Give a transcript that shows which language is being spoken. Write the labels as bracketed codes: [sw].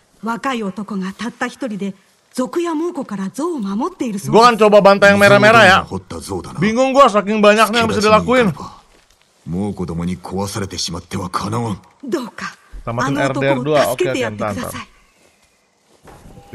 [ja] 若い男がたった一人で族や猛虎から象を守っているそう。 [id] Gua kan coba bantai yang merah-merah ya. Bingung gua saking banyaknya yang bisa dilakuin. [ja] 猛虎どもに壊されてしまってはかなわん。どうか。あの男を助けてやってください。